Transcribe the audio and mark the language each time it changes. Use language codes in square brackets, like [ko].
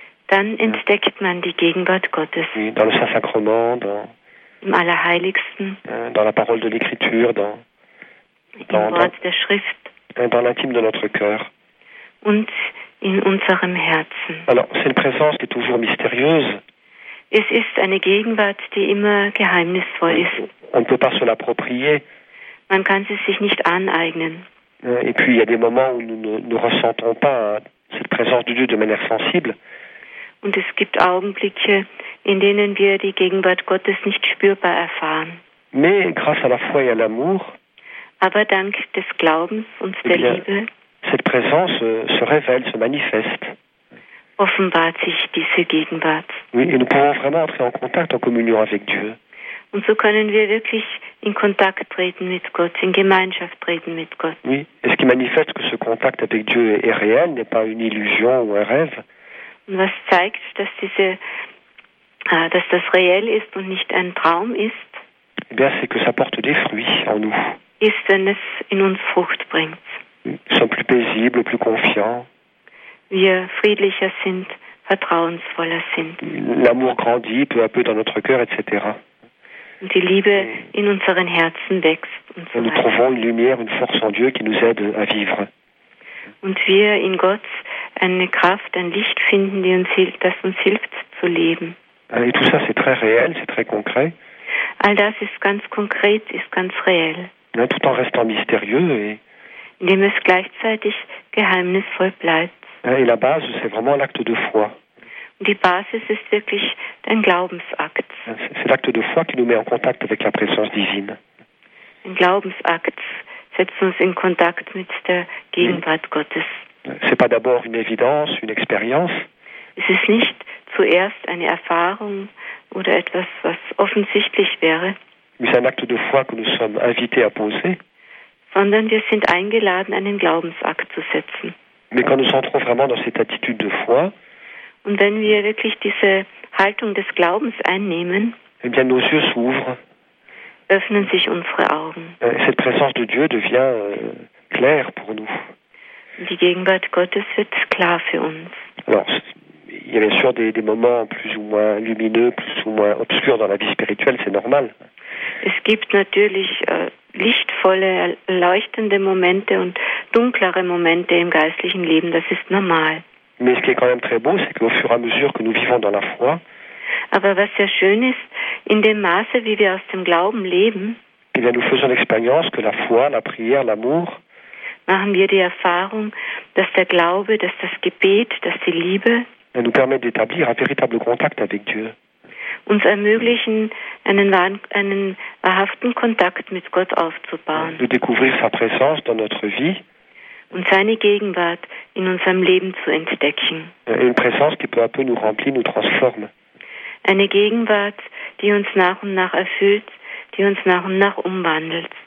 [de] Dann entdeckt man die Gegenwart Gottes. [fr] Oui, dans le Saint-Sacrement, dans [de] im Allerheiligsten, [fr] dans la parole de l'Écriture, dans l'intime de notre cœur. [de] Und in unserem Herzen. [fr] Alors, c'est une présence qui est toujours mystérieuse. [de] Es ist eine Gegenwart, die immer geheimnisvoll ist. [fr] On ne peut pas se l'approprier. [de] Man kann sie sich nicht aneignen. [fr] Et puis, il y a des moments où nous ne ressentons pas cette présence de Dieu de manière sensible. [de] Und es gibt Augenblicke, in denen wir die Gegenwart Gottes nicht spürbar erfahren. [fr] Mais grâce à la foi et à l'amour, [de] aber dank des Glaubens und der Liebe, [fr] cette présence se révèle, se manifeste. [de] Offenbart sich diese Gegenwart. [fr] Oui, et nous pouvons vraiment entrer en contact, en communion avec Dieu. [de] Und so können wir wirklich in Kontakt treten mit Gott, in Gemeinschaft treten mit Gott. [fr] Oui, et ce qui manifeste que ce contact avec Dieu est réel, n'est pas une illusion ou un rêve. [de] Und was zeigt, dass diese dass das reell ist und nicht ein Traum ist, [fr] eh bien, c'est que ça porte des fruits en nous. [de] Ist, wenn es in uns Frucht bringt. [fr] Nous sommes plus paisibles, plus confiants. [de] Wir friedlicher sind, vertrauensvoller sind. [fr] L'amour grandit peu à peu dans notre cœur, etc. [de] Und die Liebe in unseren Herzen wächst. Und so [fr] nous trouvons une lumière, une force en Dieu qui nous aide à vivre. [de] Und wir in Gott eine Kraft, ein Licht finden, die uns hilft, das uns hilft zu leben. [fr] Et tout ça, c'est très réel, c'est très concret. [de] All das ist ganz konkret, ist ganz réel. [fr] Tout en restant mystérieux et. [de] Indem es gleichzeitig geheimnisvoll bleibt. [fr] Et la base, c'est vraiment l'acte de foi. [de] Die Basis ist wirklich ein Glaubensakt. [fr] C'est l'acte de foi qui nous met en contact avec la présence divine. [de] Ein Glaubensakt setzt uns in Kontakt mit der Gegenwart Gottes. [fr] C'est pas d'abord une évidence, une expérience. [de] Es ist nicht zuerst eine Erfahrung oder etwas, was offensichtlich wäre. [fr] Mais c'est un acte de foi que nous sommes invités à poser. [de] sondern wir sind eingeladen, einen Glaubensakt zu setzen. [fr] Mais quand nous entrons vraiment dans cette attitude de foi, [de] und wenn wir wirklich diese Haltung des Glaubens einnehmen, [fr] eh bien, nos yeux s'ouvrent, [de] öffnen sich unsere Augen. [fr] Cette présence de Dieu devient claire pour nous. [de] Die Gegenwart Gottes wird klar für uns. [fr] Alors, il y a bien sûr des moments plus ou moins lumineux, plus ou moins obscurs dans la vie spirituelle, c'est normal. [de] Es gibt natürlich lichtvolle, leuchtende Momente und dunklere Momente im geistlichen Leben, das ist normal. [fr] Mais ce qui est quand même très beau, c'est qu'au fur et à mesure que nous vivons dans la foi, [de] aber was sehr schön ist, in dem Maße, wie wir aus dem Glauben leben, [fr] eh bien, nous faisons l'expérience que la foi, la prière, l'amour, [de] machen wir die Erfahrung, dass der Glaube, dass das Gebet, dass die Liebe [fr] nous permet d'établir un véritable contact avec Dieu. [de] Uns ermöglichen, einen wahrhaften Kontakt mit Gott aufzubauen. [fr] De découvrir sa présence dans notre vie. [de] Und seine Gegenwart in unserem Leben zu entdecken. [fr] Une présence qui peu à peu nous remplit, nous transforme. [de] Eine Gegenwart, die uns nach und nach erfüllt, die uns nach und nach umwandelt.